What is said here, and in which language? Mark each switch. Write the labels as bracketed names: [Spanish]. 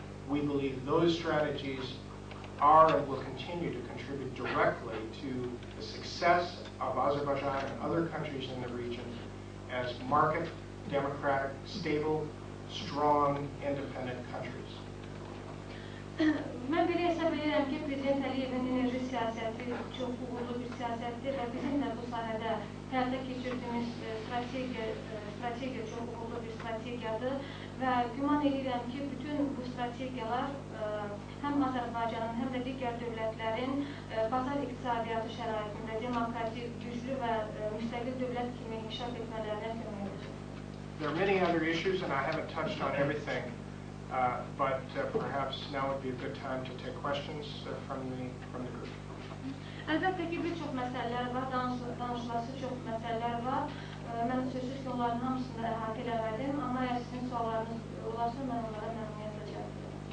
[English] We believe those strategies are and will continue to contribute directly to the success of Azerbaijan and other countries in the region as market, democratic, stable, strong, independent countries. [Azerbaijani] Mən belə hesab edirəm ki, Prezident Əliyevin enerji siyasəti çox uğurlu bir siyasətdir və bizim də bu sahədə həyata keçirdiyimiz strategiya çox uğurlu bir strategiyadır və güman edirəm ki, bütün bu strategiyalar həm Azərbaycanın, həm də digər dövlətlərin bazar iqtisadiyyatı şəraitində demokratik, güclü və müstəqil dövlət kimi inkişaf etmələrinə kömək edir. [English] There are many other issues and I haven't touched on everything. But perhaps now would be a good time to take questions from the group. [Azerbaijani] Əlbəttə ki, bir çox məsələlər var, danışılası çox məsələlər var. Mən sözsüz ki, onların hamısını əhatə edərdim, amma əgər sizin suallarınız olarsa, mən onlara məmnuniyyət edəcəm.